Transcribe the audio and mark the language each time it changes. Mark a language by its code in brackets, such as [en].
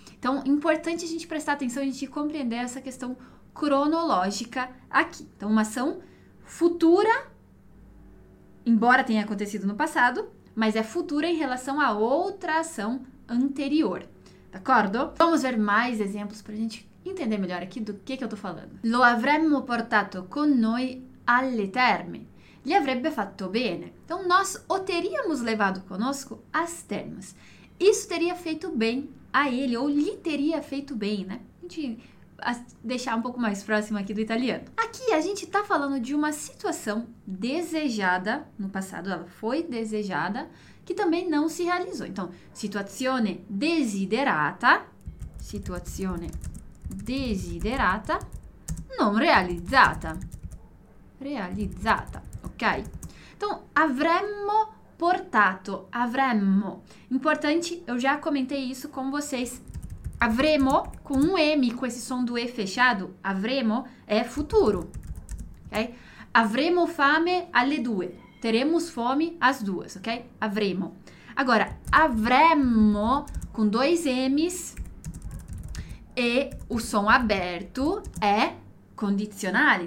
[pt] Então, importante a gente prestar atenção e a gente compreender essa questão cronológica aqui. Então, uma ação futura, embora tenha acontecido no passado. Mas é futura em relação a outra ação anterior. D'accordo? Vamos ver mais exemplos para a gente entender melhor aqui do que eu estou falando. [it] Lo avremmo portato con noi alle terme. Gli avrebbe fatto bene. [pt] Então, nós o teríamos levado conosco às termas. Isso teria feito bem a ele, ou lhe teria feito bem, né? A gente deixar um pouco mais próximo aqui do italiano. Aqui a gente tá falando de uma situação desejada, no passado ela foi desejada, que também não se realizou. [it] Então, situazione desiderata, situazione desiderata, non realizzata, realizzata, ok? Então, avremmo portato, avremmo. [pt] Importante, eu já comentei isso com vocês. Avremo, com um M, com esse som do E fechado, avremo é futuro, ok? [it] Avremo fame alle due, [pt] teremos fome às duas, [it] ok? Avremo. [pt] Agora, avremmo, com dois M's e o som aberto é condizionale.